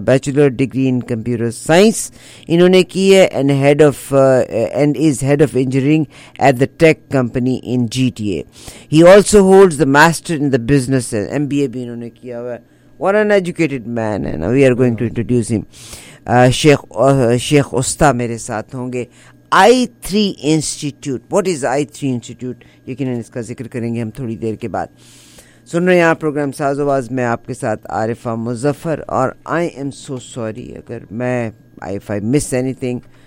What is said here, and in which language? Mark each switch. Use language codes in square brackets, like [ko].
[en] bachelor degree in computer science [ur] انہوں نے کی ہے [en] And head of and is head of engineering at the tech company in G T A. He also holds the master in the business. [ur] M B اے بھی انہوں نے کیا ہوا ہے. [en] What an educated man. And we are going to introduce him. [ur] شیخ استاد میرے ساتھ ہوں گے. I3 Institute. [en] What is I3 Institute? [ur] یقیناً اس کا ذکر کریں گے ہم تھوڑی دیر کے بعد. سن رہے ہیں آپ پروگرام ساز و باز, میں آپ کے ساتھ عارفہ مظفر اور [en] I am so sorry [ur] اگر میں [en] if I miss anything.